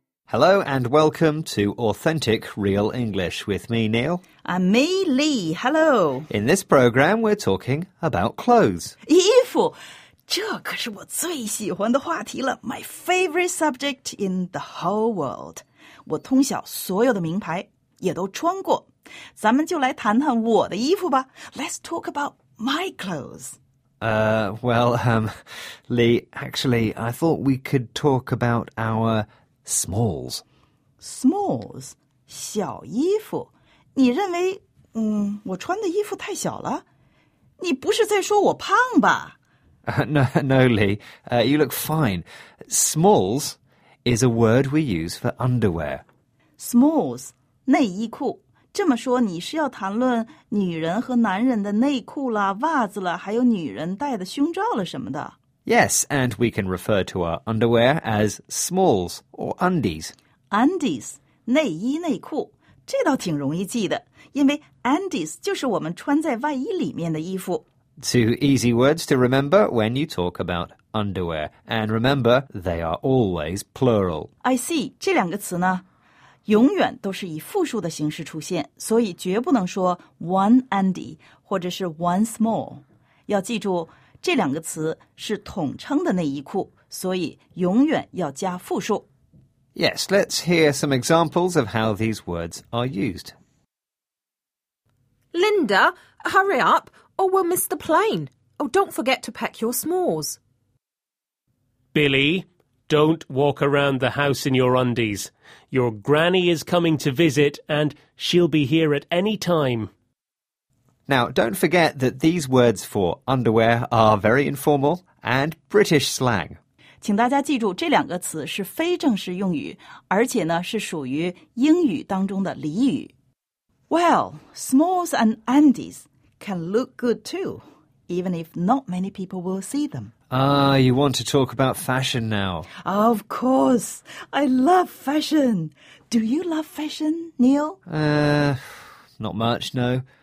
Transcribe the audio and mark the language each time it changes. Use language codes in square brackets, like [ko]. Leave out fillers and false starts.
[en] Hello and welcome to Authentic Real English with me, Neil. And me, Lee. Hello. In this programme, we're talking about clothes. [zh] 衣服，这可是我最喜欢的话题了。 [en] My favorite subject in the whole world. [zh] 我通晓所有的名牌，也都穿过。咱们就来谈谈我的衣服吧。 [en] Let's talk about my clothes. Lee, actually, I thought we could talk about our... Smalls. [zh] Smalls? 小衣服？你认为，我穿的衣服太小了？你不是在说我胖吧？ [en] No, Lee, you look fine. Smalls is a word we use for underwear. [zh] Smalls, 内衣裤。这么说，你是要谈论女人和男人的内裤啦、袜子啦，还有女人戴的胸罩了什么的？ [en] Yes, and we can refer to our underwear as smalls or undies. [zh] Undies, 内衣内裤，这倒挺容易记的，因为 undies 就是我们穿在外衣里面的衣服。 [en] Two easy words to remember when you talk about underwear. And remember, they are always plural. I see, [zh] 这两个词呢，永远都是以复数的形式出现，所以绝不能说 one undie 或者是 one small. 要记住这两个词是统称的内衣裤，所以永远要加复数。 [en] Yes, let's hear some examples of how these words are used. Linda, hurry up, or we'll miss the plane. Oh, don't forget to pack your smalls. Billy, don't walk around the house in your undies. Your granny is coming to visit, and she'll be here at any time. Now, don't forget that these words for underwear are very informal and British slang. [zh] 请大家记住这两个词是非正式用语，而且呢是属于英语当中的俚语。 [en] Well, smalls and undies can look good too, even if not many people will see them. Ah, you want to talk about fashion now. Of course, I love fashion. Do you love fashion, Neil? Not much, no.